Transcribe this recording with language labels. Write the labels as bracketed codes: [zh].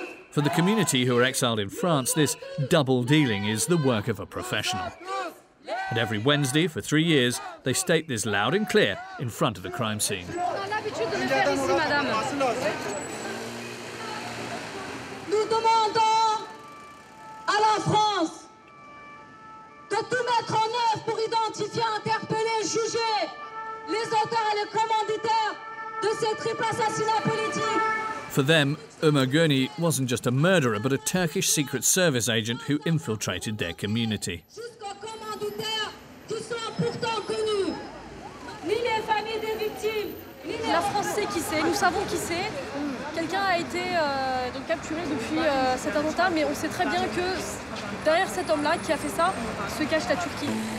[en] For the community who are exiled in France, this double dealing is the work of a professional. And every Wednesday for 3 years, they state this loud and clear in front of the crime scene. [fr] Nous demandons à la France de tout mettre en œuvre pour identifier, interpeller, juger les auteurs et les commanditaires de ces triple assassinats politiques. [en] For them, Omer Guney wasn't just a murderer, but a Turkish secret service agent who infiltrated their community. [fr] Jusqu'aux commanditaires qui sont pourtant connus, ni les la France sait qui c'est, nous savons qui c'est. Quelqu'un a été donc capturé depuis cet attentat, mais on sait très bien que derrière cet homme-là qui a fait ça se cache la Turquie.